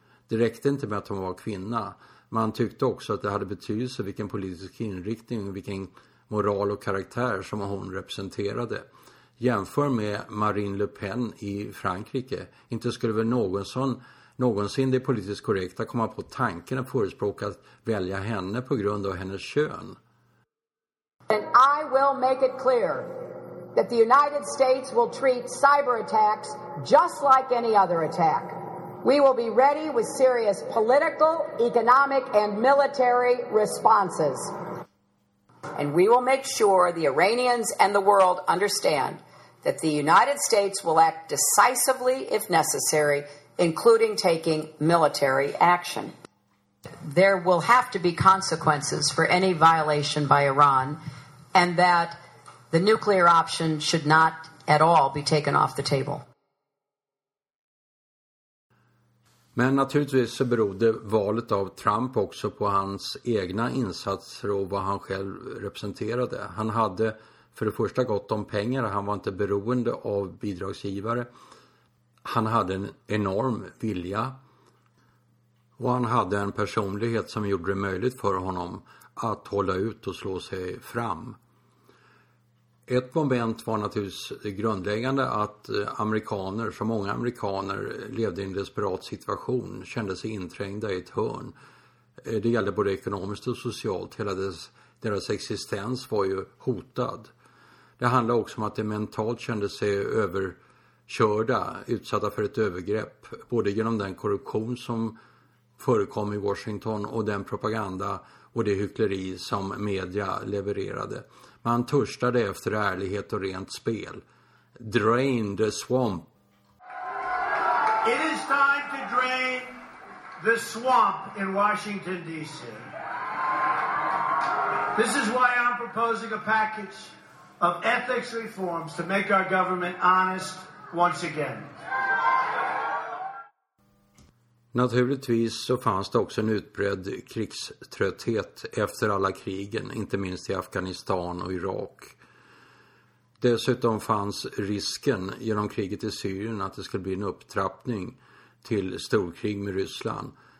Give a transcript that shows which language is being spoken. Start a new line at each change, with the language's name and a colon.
Swedish: Det räckte inte med att hon var kvinna. Man tyckte också att det hade betydelse vilken politisk inriktning, vilken moral och karaktär som hon representerade. Jämför med Marine Le Pen i Frankrike. Inte skulle väl någon sån någonsin det politiskt korrekt att komma på tanken att förespråka att välja henne på grund av hennes kön.
English: And I will make it clear that the United States will treat cyber attacks just like any other attack. We will be ready with serious political, economic and military responses. And we will make sure the Iranians and the world understand that the United States will act decisively if necessary, including taking military action. There will have to be consequences for any violation by Iran, and that the nuclear option should not at all be taken off the table.
Swedish: Men naturligtvis så berodde valet av Trump också på hans egna insatser och vad han själv representerade. Han hade för det första gott om pengar, han var inte beroende av bidragsgivare. Han hade en enorm vilja och han hade en personlighet som gjorde det möjligt för honom att hålla ut och slå sig fram. Ett moment var naturligtvis grundläggande att amerikaner, så många amerikaner, levde i en desperat situation, kände sig inträngda i ett hörn. Det gällde både ekonomiskt och socialt, hela deras existens var ju hotad. Det handlar också om att de mentalt kände sig överkörda, utsatta för ett övergrepp, både genom den korruption som förekom i Washington och den propaganda och det hyckleri som media levererade. Man törstade efter ärlighet och rent spel.
English: Drain the swamp. It is time to drain the swamp in Washington, D.C. This is why I'm proposing a package of ethics reforms to make our government honest once again.
Swedish: Naturligtvis så fanns det också en utbredd krigströtthet efter alla krigen, inte minst i Afghanistan och Irak. Dessutom fanns risken genom kriget i Syrien att det skulle bli en upptrappning till storkrig med Ryssland.